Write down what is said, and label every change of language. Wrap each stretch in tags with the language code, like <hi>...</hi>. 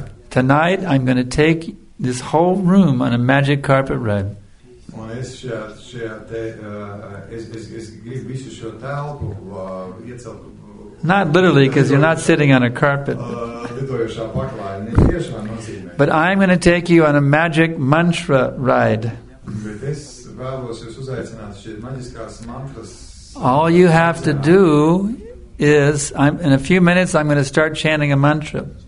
<en>Tonight, I'm going to take this whole room on a magic carpet ride.</en> <lv>Un es gribu visu šo telpu iecelt.</lv> <en>Not literally, because you're not sitting on a carpet. But I'm going to take you on a magic mantra ride.</en> <lv>Bet es vēlos jūs uzaicināt šeit maģiskās mantras.</lv> <en>All you have to do is, in a few minutes, I'm going to start chanting a mantra.</en>